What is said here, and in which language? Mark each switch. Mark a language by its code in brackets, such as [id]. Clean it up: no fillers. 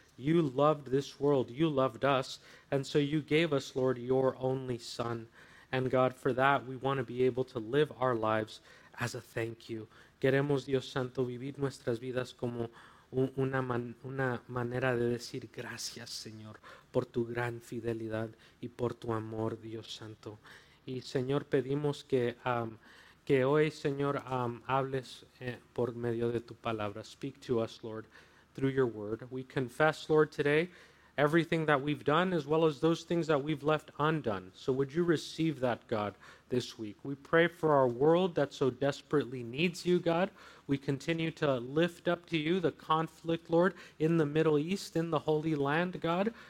[en] You loved this world, you loved us, and so you gave us, Lord, your only Son. And God, for that, we want to be able to live our lives as a thank you. [es] Queremos, Dios Santo, vivir nuestras vidas como una manera de decir gracias, Señor, por tu gran fidelidad y por tu amor, Dios Santo. Y Señor, pedimos que hoy, Señor, hables por medio de tu palabra. [en] Speak to us, Lord, through your word. We confess, Lord, today, everything that we've done, as well as those things that we've left undone. So would you receive that, God, this week? We pray for our world that so desperately needs you, God. We continue to lift up to you the conflict, Lord, in the Middle East, in the Holy Land, God.